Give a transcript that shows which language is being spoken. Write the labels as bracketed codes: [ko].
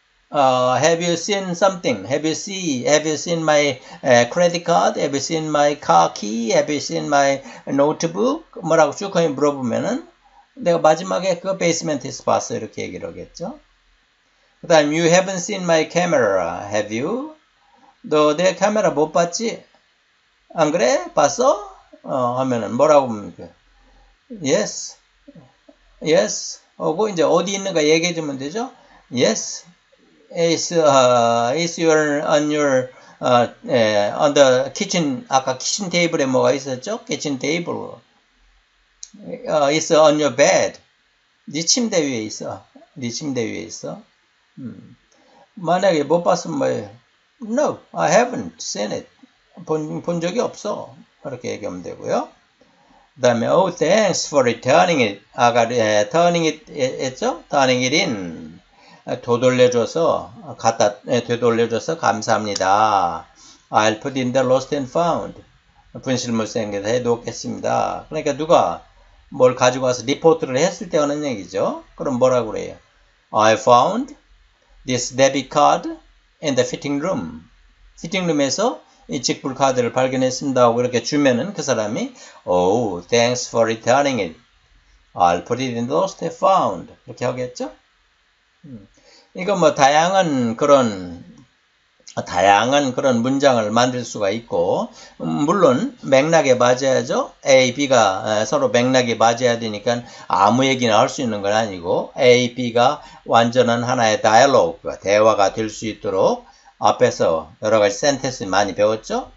[en] Have you seen something? Have you seen my credit card? Have you seen my car key? Have you seen my notebook? [ko] 뭐라고 쭉 물어보면은 내가 마지막에 그 베이스먼트에서 봤어 이렇게 얘기를 하겠죠. 그 다음 [en] You haven't seen my camera, have you? [ko] 너 내 카메라 못 봤지? 안 그래? 봤어? 하면은 뭐라고 하면 Yes. Yes. 하고 이제 어디 있는가 얘기해 주면 되죠. [en] Yes. On the kitchen, 아까 kitchen table에 [ko] 뭐가 있었죠? [en] Kitchen table. It's on your bed. [ko] 네 침대 위에 있어. 네 침대 위에 있어. 만약에 못 봤으면 뭐예요? [en] No, I haven't seen it. [ko] 본 적이 없어. 그렇게 얘기하면 되고요. 그 다음에, [en] oh, thanks for returning it. [ko] 아까 turning it 했죠? [en] Turning it in. [ko] 되돌려줘서 감사합니다. [en] I'll put in the lost and found. [ko] 분실물 쓰는 게 다 해놓겠습니다. 그러니까 누가 뭘 가지고 와서 리포트를 했을 때 하는 얘기죠. 그럼 뭐라고 그래요? [en] I found this debit card in the fitting room. [ko] fitting room에서 이 직불 카드를 발견했습니다. 하고 이렇게 주면은 그 사람이 [en] Oh, thanks for returning it. I'll put it in the lost and found. [ko] 이렇게 하겠죠? 이거 뭐 다양한 그런 문장을 만들 수가 있고, 물론 맥락에 맞아야죠. A, B가 서로 맥락에 맞아야 되니까 아무 얘기나 할 수 있는 건 아니고, A, B가 완전한 하나의 다이얼로그, 대화가 될 수 있도록 앞에서 여러 가지 센텐스 많이 배웠죠?